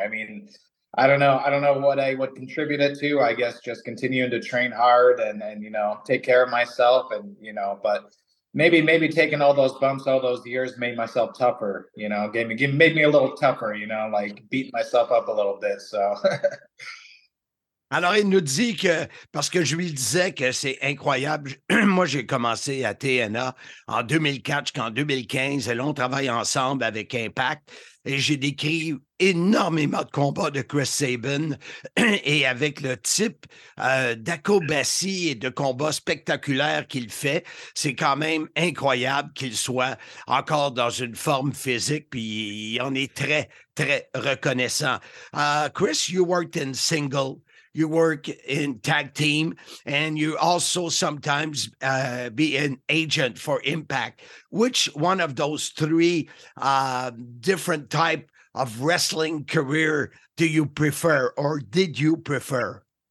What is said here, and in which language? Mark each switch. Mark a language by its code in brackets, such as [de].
[en] I mean, I don't know what I would contribute it to. I guess just continuing to train hard and you know, take care of myself, and you know, but maybe taking all those bumps all those years made myself tougher, you know, made me a little tougher, you know, like beat myself up a little bit. So [fr] alors, il nous dit que, parce que je lui disais que c'est incroyable, moi, j'ai commencé à TNA en 2004 jusqu'en 2015, et là, on travaille ensemble avec Impact, et j'ai décrit énormément de combats de Chris Sabin, et avec le type d'acrobatie et de combats spectaculaires qu'il fait, c'est quand même incroyable qu'il soit encore dans une forme physique, puis il en est très, très reconnaissant. [en] Chris, you worked in single. You work in tag team, and you also sometimes be an agent for Impact. Which one of those three different type of wrestling career do you prefer, or did you prefer?